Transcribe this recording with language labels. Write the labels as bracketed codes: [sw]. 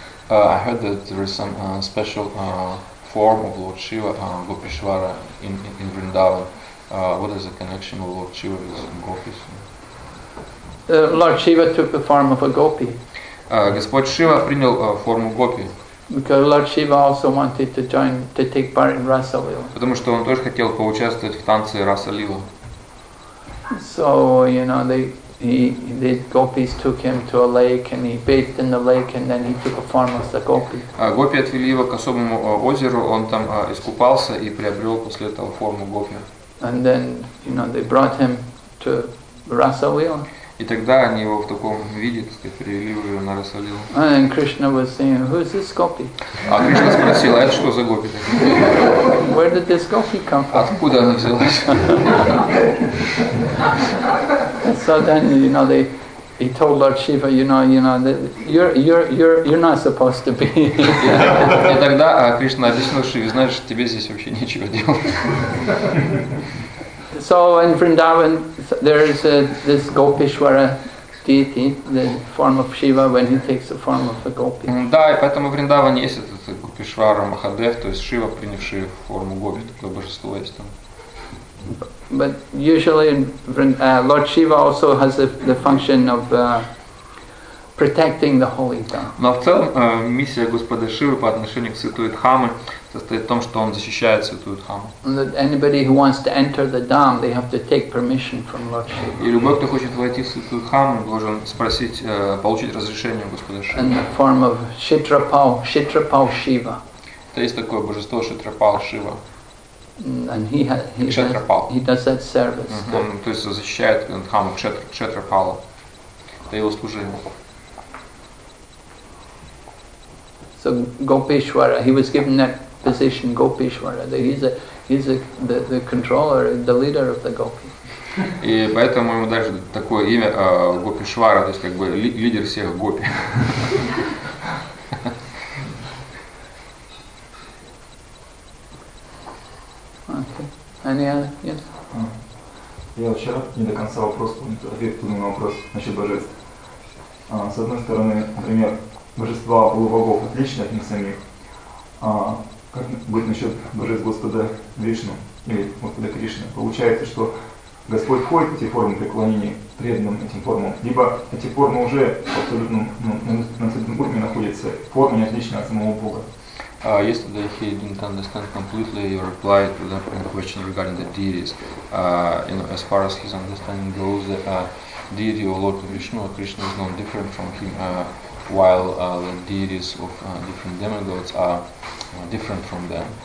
[en] I heard that there is some special form of Lord Shiva, Gopeshwara, in Vrindavan. What is the connection of Lord Shiva with Gopis? Lord Shiva took the form of a Gopi. [ru] Господь Шива принял форму Гопи. [en] Because Lord Shiva also wanted to join, to take part in Rasa Lila. [ru] Потому что он тоже хотел поучаствовать в танце Rasa Lila. [en] So, you know, the gopis took him to a lake and he bathed in the lake and then he took a form of the gopi. [ru] Гопи отвели его к особому озеру, он там искупался и приобрел после этого форму гопи. [en] And then, you know, they brought him to Rasa Lila. [ru] И тогда они его в таком виде, так сказать, привели уже на Расалилу. [en] And Krishna was saying, who is this gopi? [ru] А Кришна спросил, а это что за гопи? [en] Where did this gopi come from? [ru] Откуда она взялась? [en] So then, you know, he told Lord Shiva, you know, that you're not supposed to be. [ru] И тогда Кришна объяснил Шиве, знаешь, тебе здесь вообще нечего делать. [en] So in Vrindavan, there is this Gopeshwara deity, the form of Shiva when he takes the form of a gopi. [ru] Да, и поэтому в Вриндаване есть этот Гопешвара Махадев, то есть Шива, принявший форму гопи, такое божество есть там. [en] But usually Lord Shiva also has the function of protecting the holy dham. [ru] Но в целом миссия Господа Шивы по отношению к святой Дхаме состоит в том, что он защищает святую Дхаму. [en] Anybody who wants to enter the dham, they have to take permission from Lord Shiva. [ru] И любой, кто хочет войти в святую Дхаму, должен спросить, получить разрешение у Господа Шивы. [en] In the form of Kshitrapal Shiva. [ru] То есть такое божество Kshitrapal Shiva. [en] And he does that service. [ru] Он, то есть защищает Дхаму Кшетрапала. Это его служение. [en] So Gopeshwara, he was given that position, Gopeshwara. He's the controller, the leader of the Gopi. [ru] И поэтому ему даже такое имя Гопешвара, то есть как бы лидер всех Гопи. [en] Any other? Yes. [ru] Я вчера не до конца вопрос понял, ответ на вопрос насчет божеств. С одной стороны, например, божества у богов отличны от них самих. Как быть насчет божеств Господа Вишну или Господа Кришны? Получается, что Господь входит в эти формы преклонения, преданным этим формам, либо эти формы уже абсолютно на абсолютном уровне находятся, в форме отличны от самого Бога. [en] Yesterday he didn't understand completely your reply to the question regarding the deities. You know, as far as his understanding goes, the deity of Lord Vishnu or Krishna is not different from him, while the deities of different demigods are different from them.